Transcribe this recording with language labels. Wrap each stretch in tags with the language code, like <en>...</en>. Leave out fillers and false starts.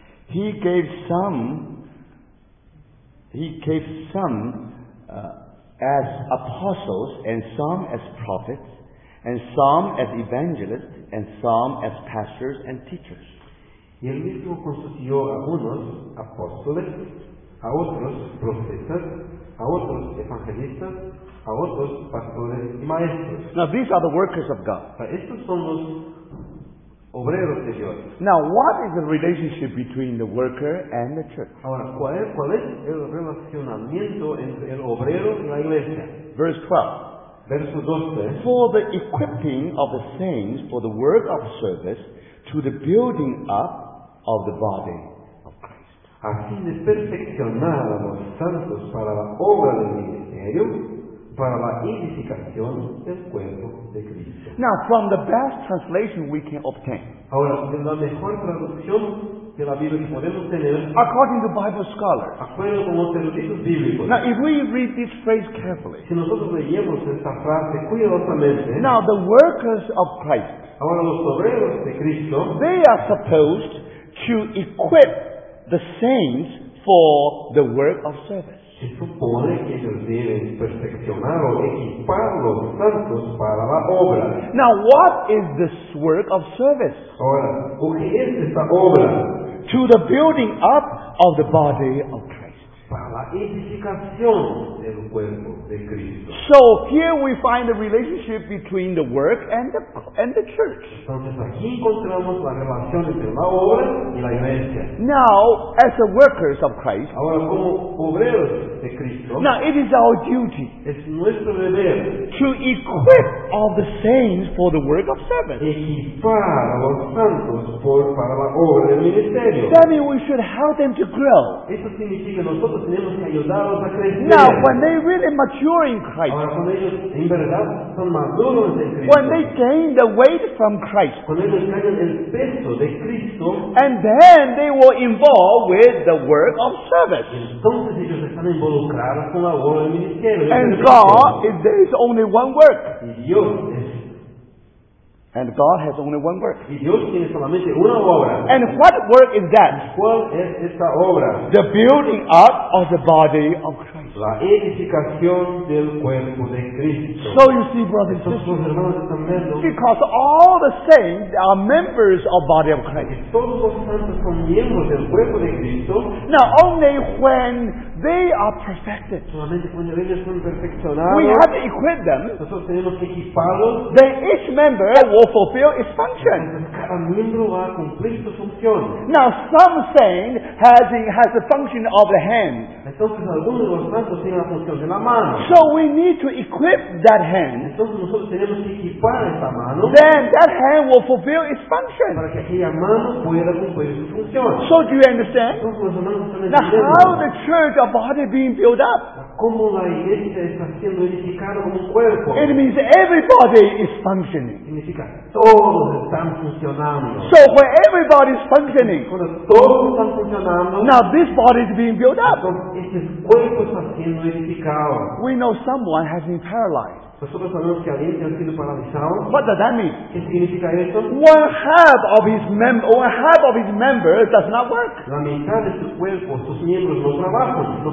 <en>He gave some as apostles, and some as prophets, and some as evangelists, and some as pastors and teachers.</en> <es>Y el mismo constituyó a unos apóstoles, a otros profetas, a otros evangelistas, a otros pastores y maestros.</es> <en>Now these are the workers of God.</en> <es>Estos son los obreros de Dios.</es> <en>Now what is the relationship between the worker and the church?</en> <es>Ahora, ¿cuál es el relacionamiento entre el obrero y la iglesia?</es> <en>Verse 12.</en> <es>Verso 12.</es> <en>For the equipping of the saints for the work of service to the building up of the body.</en> <es>A fin de perfeccionar a los santos para la obra del ministerio, para la edificación del cuerpo de Cristo.</es> <en>Now, from the best translation we can obtain.</en> <es>Ahora, de la mejor traducción de la Biblia que podemos tener.</es> <en>According to Bible scholars.</en> <es>Acuerdo con los eruditos bíblicos.</es> <en>Now, if we read this phrase carefully.</en> <es>Si nosotros leemos esta frase cuidadosamente.</es> <en>Now, the workers of Christ.</en> <es>Ahora, los obreros de Cristo.</es> <en>They are supposed to equip the saints for the work of service.</en> <es>Se supone que ellos deben perfeccionar o equipar los santos para la obra.</es> <en>Now, what is this work of service?</en> <es>Ahora, ¿qué es esta obra?</es> <en>To the building up of the body of Christ.</en> <es>Para la edificación del cuerpo de Cristo.</es> <en>So here we find the relationship between the work and the church.</en> <es>Entonces aquí encontramos la relación entre la obra y la iglesia.</es> <en>Now, as the workers of Christ,</en> <es>ahora como obreros de Cristo,</es> <en>now it is our duty,</en> <es>es nuestro deber,</es> <en>to equip all the saints for the work of service.</en> <es>Equipar a los santos para la obra del ministerio.</es> <en>That means we should help them to grow.</en> <es>Eso significa nosotros tenemos que ayudarlos a crecer.</es> <en>Now, when they really mature in Christ,</en> <es>ahora, cuando ellos en verdad son maduros en Cristo,</es> <en>when they gain the weight from Christ,</en> <es>cuando ellos ganan el peso de Cristo,</es> <en>and then they will involve with the work of service.</en> <es>Entonces ellos están involucrados con la obra del ministerio.</es> <en>And God, if there is only one work. And God has only one work.</en> <es>Dios tiene solamente una obra.</es> <en>And what work is that?</en> <es>¿Cuál es esta obra?</es> <en>The building up of the body of Christ.</en> <es>La edificación del cuerpo de Cristo.</es> <en>So you see, brothers and sisters,</en> <es>hermanos están viendo,</es> <en>because all the saints are members of the body of Christ.</en> <es>Todos los santos son miembros del cuerpo de Cristo.</es> <en>Now, only when they are perfected,</en> <es>solamente cuando ellos son perfeccionados,</es> <en>we have to equip them,</en> <es>nosotros tenemos que equiparlos,</es> <en>then each member will fulfill its function.</en> <es>Cada miembro va a cumplir su función.</es> <en>Now, some saint has the function of the hand.</en> <es>Entonces, algunos de los santos tienen la función de la mano.</es> <en>So we need to equip that hand.</en> <es>Entonces, nosotros tenemos que equipar esa mano.</es> <en>Then that hand will fulfill its function.</en> <es>Para que aquella mano pueda cumplir su función.</es> <en>So do you understand?</en> <es>Entonces,</es> <en>now, how the church of body being built up?</en> <es>Como la iglesia está siendo edificada como un cuerpo.</es> <en>It means everybody is functioning.</en> <es>Significa todos están funcionando.</es> <en>So when everybody is functioning,</en> <es>cuando todos están funcionando,</es> <en>now this body is being built up.</en> <es>Este cuerpo está siendo edificado.</es> <en>We know someone has been paralyzed.</en> <es>Nosotros sabemos que alguien ha sido paralizado.</es> <en>What does that mean?</en> <es>¿Qué significa eso?</es> <en>One half of his member does not work.</en> <es>La mitad de su cuerpo, sus miembros no trabajan.</es>